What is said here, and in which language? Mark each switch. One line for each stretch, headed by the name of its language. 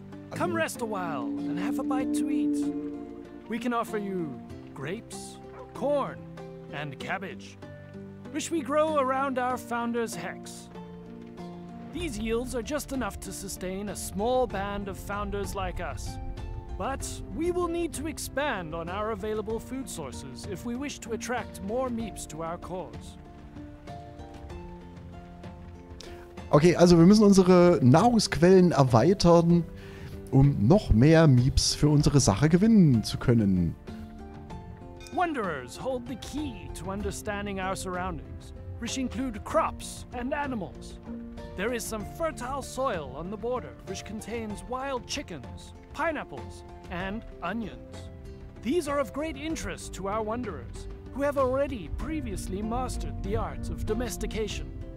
English: Come rest a while and have a bite to eat. We can offer you grapes, corn and cabbage, which we grow around our founder's hex. These yields are just enough to sustain a small band of founders like us. But we will need to expand on our available food sources if we wish to attract more Meeps to our cause.
German: Okay, also wir müssen unsere Nahrungsquellen erweitern, um noch mehr Meeps für unsere Sache gewinnen zu können.
English: Wanderers hold the key to understanding our surroundings, which include crops and animals. There is some fertile soil on the border, which contains wild chickens, pineapples, and onions. These are of great interest to our wanderers, who have already previously mastered the art of domestication.